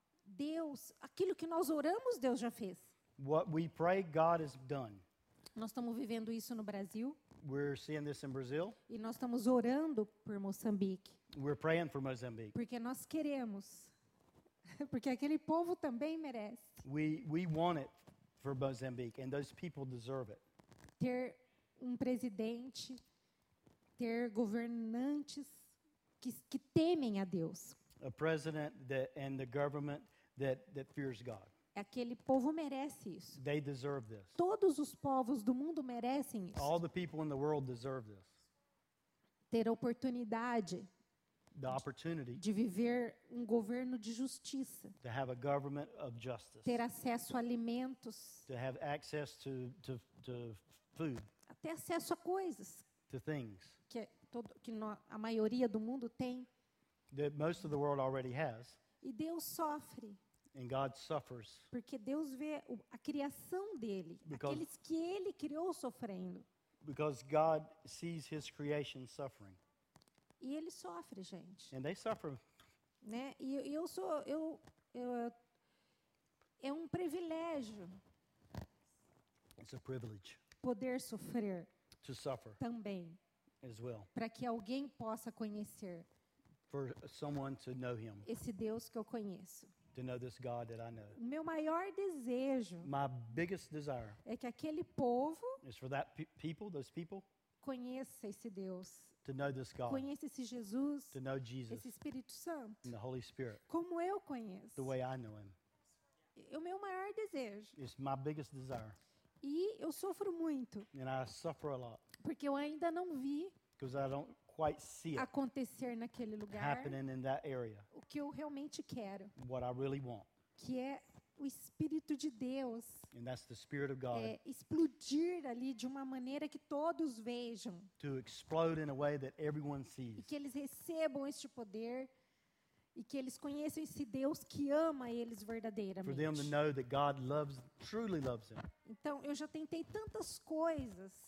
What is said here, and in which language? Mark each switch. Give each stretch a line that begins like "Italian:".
Portuguese: Deus, aquilo que nós oramos, Deus já fez.
English: What we pray, God has done.
Portuguese: Nós estamos vivendo isso no Brasil.
English: We're seeing this in Brazil.
Portuguese: E nós estamos orando por Moçambique.
English: We're praying for Mozambique.
Portuguese: Porque nós queremos. Porque aquele povo também merece.
English: We want it for Mozambique, and those people deserve it.
Portuguese: Ter um presidente, ter governantes que temem a Deus.
English: A president that, and the government that fears God.
Portuguese: Aquele povo merece isso.
English: They deserve this.
Portuguese: Todos os povos do mundo merecem isso.
English: All the people in the world deserve this.
Portuguese: Ter oportunidade.
English: The opportunity.
Portuguese: De viver um governo de justiça.
English: To have a government of justice.
Portuguese: Ter acesso a alimentos.
English: To have access to food.
Portuguese: Ter acesso a coisas.
English: To things.
Portuguese: Que todo, que a maioria do mundo tem.
English: That most of the world already has.
Portuguese: E Deus sofre.
English: And God suffers.
Portuguese: Porque Deus vê a criação dele, aqueles que ele criou sofrendo.
English: Because God sees his creation suffering.
Portuguese: E ele sofre, gente.
English: And they suffer.
Portuguese: Né? E eu sou eu é um privilégio.
English: It's a privilege.
Portuguese: Poder sofrer.
English: To suffer.
Portuguese: Também.
English: As well.
Portuguese: Para que alguém possa conhecer.
English: For someone to know him.
Portuguese: Esse Deus que eu conheço.
English: To know this God that I know.
Portuguese: Meu maior desejo.
English: My biggest desire.
Portuguese: É que aquele povo.
English: Is for that people, those people.
Portuguese: Conheça esse Deus.
English: To know this God.
Portuguese: Conheça esse Jesus.
English: To know Jesus.
Portuguese: Esse Espírito Santo.
English: And the Holy Spirit.
Portuguese: Como eu conheço.
English: The way I know him.
Portuguese: É o meu maior desejo.
English: It's my biggest desire.
Portuguese: E eu sofro muito.
English: And I suffer a lot.
Portuguese: Porque eu ainda não vi.
English: Because I don't quite see it.
Portuguese: Acontecer naquele lugar.
English: Happening in that area.
Portuguese: Que eu realmente quero.
English: What I really want.
Portuguese: Que é o Espírito de Deus.
English: And that's the Spirit of God.
Portuguese: É explodir ali de uma maneira que todos vejam.
English: To explode in a way that everyone sees.
Portuguese: E que eles recebam este poder. E que eles conheçam esse Deus que ama eles verdadeiramente.
English: For them to know that God loves, truly loves them.
Portuguese: Então, eu já tentei tantas coisas.